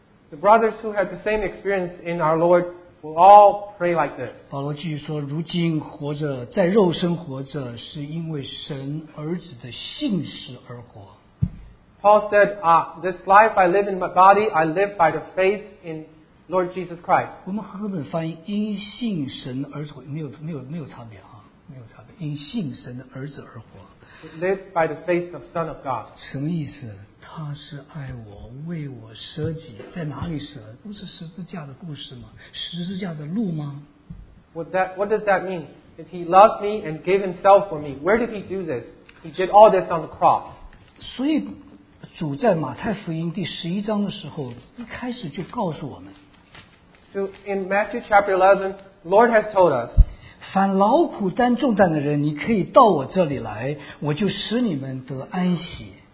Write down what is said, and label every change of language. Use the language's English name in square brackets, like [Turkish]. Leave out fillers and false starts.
[English] The brothers who had the same experience in our Lord will all pray like this. [Chinese] 保罗继续说：“如今活着，在肉身活着，是因为神儿子的信实而活。” [English] Paul said, "Ah, this life I live in my body, I live by the faith in Lord Jesus Christ." [Chinese] 我们和本翻译“因信神而活”没有差别哈，没有差别，因信神的儿子而活。 [English] Live by the faith of Son of God. [Chinese] 什么意思？他是爱我，为我舍己，在哪里舍？不是十字架的故事吗？十字架的路吗 [English] ？What does that mean? That he loved me and gave himself for me. Where did he do this? He did all this on the cross. [Chinese] 所以主在马太福音第十一章的时候一开始就告诉我们。 [English] So in Matthew chapter 11, Lord has told us, [Chinese] 凡劳苦担重担的人你可以到我这里来我就使你们得安息。